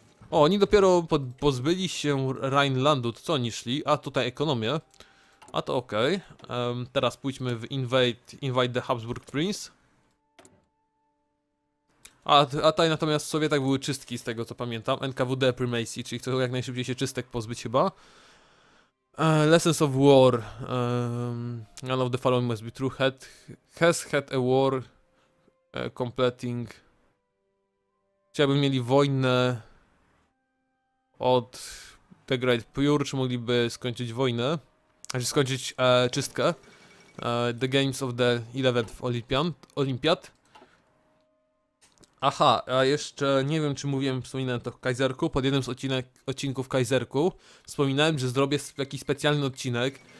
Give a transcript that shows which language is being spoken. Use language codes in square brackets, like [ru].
[pl] O, oni dopiero pozbyli się Rhinelandu, to co oni szli? A tutaj ekonomię. A to okej. Teraz pójdźmy w Invade the Habsburg Prince. A tutaj natomiast sobie tak były czystki, z tego co pamiętam. NKWD Primacy, czyli chcą jak najszybciej się czystek pozbyć chyba. [en] Lessons of War. None of the following must be true. Has had a war completing. [pl] Chciałbym mieli wojnę od The Great Purge, czy mogliby skończyć wojnę, znaczy skończyć czystkę. [en] The Games of the 11th Olympiad. [pl] Aha, a jeszcze nie wiem, czy mówiłem, wspominałem to w Kajzerku, pod jednym z odcinków Kajzerku wspominałem, że zrobię jakiś specjalny odcinek.